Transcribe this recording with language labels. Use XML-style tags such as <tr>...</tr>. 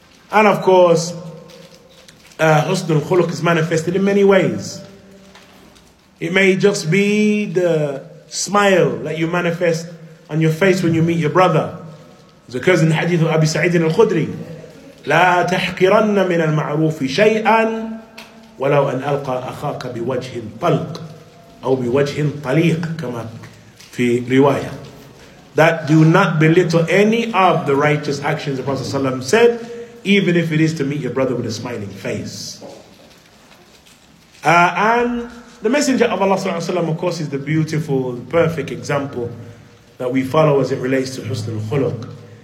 <en>And of course, husn al-khuluq is manifested in many ways. It may just be the smile that you manifest on your face when you meet your brother. It occurs in the hadith of Abi Sa'id al-Khudri.</en> <ar>لا تحقرن من المعروف شيئا ولو أن ألقى أخاك بوجه طلق أو بوجه طليق كما في رواية.</ar> <en>That do not belittle any of the righteous actions the Prophet ﷺ said, even if it is to meet your brother with a smiling face. And the Messenger of Allah ﷺ, of course, is the beautiful, perfect example that we follow as it relates to husn al-khuluq.</en>